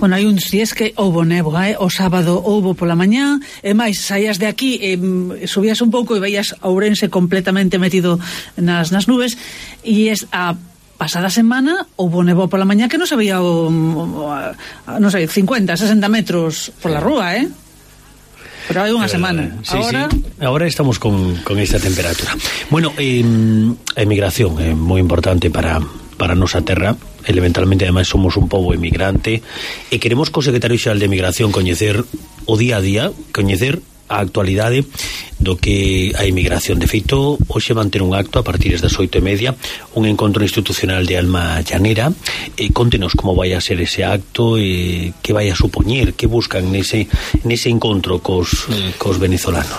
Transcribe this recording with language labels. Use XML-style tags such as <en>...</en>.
<gl>Bueno, hai uns días que houbo néboa, o sábado houbo pola mañá, e máis, saías de aquí, subías un pouco e veías Ourense completamente metido nas nubes, e es a pasada semana houbo néboa pola mañá que non se veía, non sei, 50, 60 metros pola rúa, eh?</gl> <es>Pero hay una semana. Sí, ahora... sí. Ahora estamos con esta temperatura. Bueno, emigración, muy importante para</es> <gl>nosa terra. Elementalmente, además, somos un pobo emigrante. E queremos co secretario xeral de emigración coñecer o día a día, coñecer a actualidade do que a emigración. De feito, hoxe van ter un acto a partir das 8:30, un encontro institucional de Alma Llanera. Contenos como vai a ser ese acto, que vai a supoñer, que buscan nese encontro cos venezolanos.</gl>